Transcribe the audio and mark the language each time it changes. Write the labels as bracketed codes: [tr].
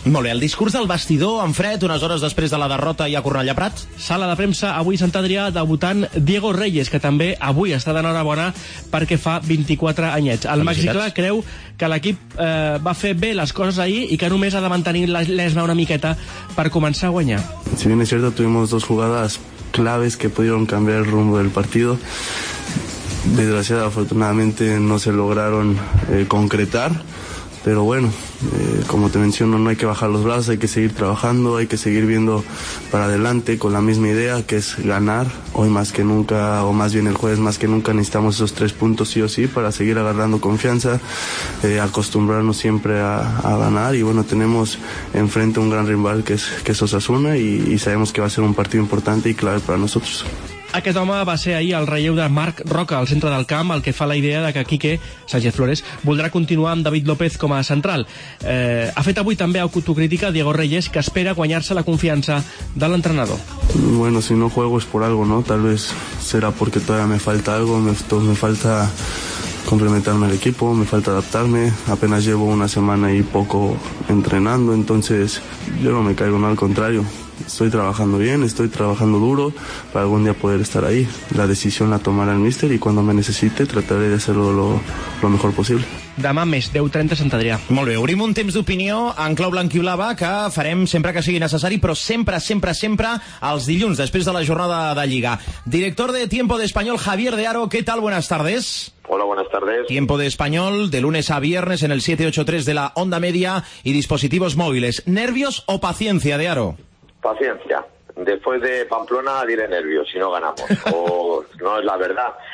[ca] Molt bé, el discurs del vestidor en fred, unes hores després de la derrota i a Cornellà Prat. Sala de premsa avui Sant Adrià, debutant Diego Reyes, que també avui està d'enhorabona perquè fa 24 anyets. El Mexiclà creu que l'equip va fer bé les coses ahir i que només ha de mantenir l'esma una miqueta per començar a guanyar. [es] Si bien es cierto, tuvimos dos jugadas claves que pudieron cambiar el rumbo del partido. Desgraciada, afortunadamente no se lograron concretar. Pero bueno, como te menciono, no hay que bajar los brazos, hay que seguir trabajando, hay que seguir viendo para adelante con la misma idea, que es ganar. Hoy más que nunca, o más bien el jueves más que nunca, necesitamos esos 3 puntos sí o sí para seguir agarrando confianza, acostumbrarnos siempre a ganar. Y bueno, tenemos enfrente un gran rival que es Osasuna y sabemos que va a ser un partido importante y clave para nosotros. [ca] Aquest home va ser ahir el relleu de Marc Roca al centre del camp, el que fa la idea de que Quique Sánchez Flores voldrà continuar amb David López com a central. Ha fet avui també autocrítica Diego Reyes, que espera guanyar-se la confiança de l'entrenador. [es] Bueno, si no juego es por algo, ¿no? Tal vez será porque todavía me falta algo, me falta complementarme al equipo, me falta adaptarme. Apenas llevo una semana y poco entrenando, entonces yo no me caigo, no, al contrario. Estoy trabajando bien, estoy trabajando duro para algún día poder estar ahí. La decisión la tomará el míster y cuando me necesite trataré de hacerlo lo mejor posible. [ca] Demà més, 10:30 Sant Adrià. Molt bé, obrim un temps d'opinió en clau blanquiblava que farem sempre que sigui necessari, però sempre, sempre, sempre els dilluns, després de la jornada de Lliga. [es] Director de Tiempo de Español, Javier de Haro, ¿qué tal? Buenas tardes. Hola, buenas tardes. Tiempo de Español, de lunes a viernes en el 783 de la Onda Media y dispositivos móviles. ¿Nervios o paciencia, de Haro? Paciencia. Después de Pamplona diré nervios si no ganamos. O no es la verdad.